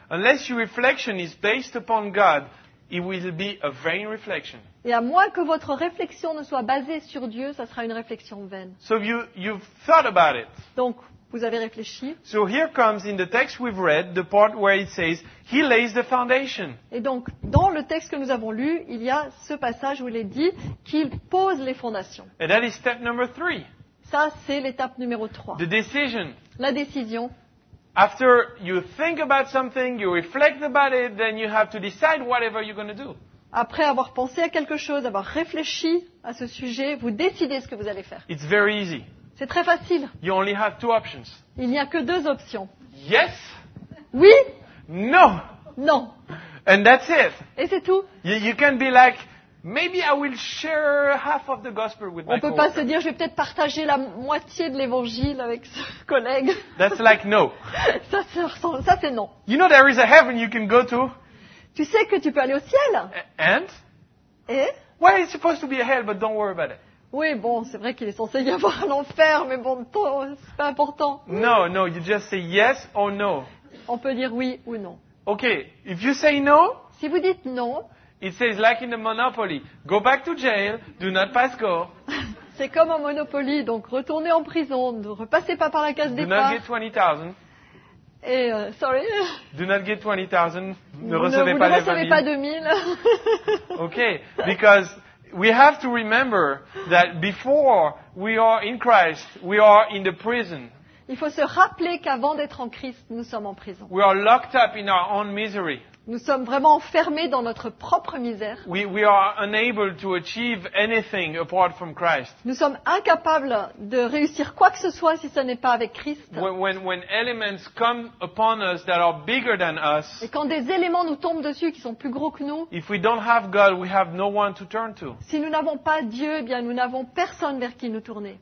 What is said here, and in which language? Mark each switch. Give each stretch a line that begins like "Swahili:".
English: Unless your reflection is based upon God, it will be a vain reflection.
French: Et à moins que votre réflexion ne soit basée sur Dieu, ça sera une réflexion vaine.
English: So you've thought about it.
French: Donc vous avez réfléchi.
English: So here comes in the text we've read the part where it says he lays the foundation.
French: Et donc dans le texte que nous avons lu, il y a ce passage où il est dit qu'il pose les fondations.
English: And that is step number three.
French: Ça c'est l'étape numéro 3.
English: The decision.
French: La décision.
English: After you think about something, you reflect about it, then you have to decide whatever you're going to do.
French: Après avoir pensé à quelque chose, avoir réfléchi à ce sujet, vous décidez ce que vous allez faire.
English: It's very easy.
French: C'est très facile.
English: You only have two options.
French: Il n'y a que deux options.
English: Yes.
French: Oui.
English: No.
French: Non.
English: And that's it.
French: Et c'est tout.
English: You can be like, maybe I will share half of the gospel with my coworker.
French: On peut pas se dire, je vais peut-être partager la moitié de l'évangile avec ce collègue.
English: That's like no.
French: Ça c'est non.
English: You know there is a heaven you can go to.
French: Tu sais que tu peux aller au ciel.
English: And?
French: Et?
English: Well, it's supposed to be a hell, but don't worry about it.
French: Oui, bon, c'est vrai qu'il est censé y avoir l'enfer, mais bon, c'est pas important.
English: No, you just say yes or no.
French: On peut dire oui ou non.
English: Okay, if you say no,
French: si vous dites non,
English: it says like in the Monopoly, go back to jail, do not pass go.
French: C'est comme en Monopoly, donc retournez en prison, ne repassez pas par la case départ.
English: Do not get 20,000.
French: Et,
English: sorry. Do not get 20,000,
French: ne recevez pas les 20,000. Vous ne recevez pas 2,000.
English: Okay, because we have to remember that before we are in Christ, we are in the prison.
French: Il faut se rappeler qu'avant d'être en Christ, nous sommes en prison.
English: We are locked up in our own misery.
French: Nous sommes vraiment enfermés dans notre propre misère.
English: We are unable to achieve anything apart from Christ.
French: Nous sommes incapables de réussir quoi que ce soit si ce n'est pas avec Christ.
English: When elements come upon us that are bigger than us.
French: Et quand des éléments nous tombent dessus qui sont plus gros que nous.
English: If we don't have God, we have no one to turn to.
French: Si nous n'avons pas Dieu, eh bien nous n'avons personne vers qui nous tourner.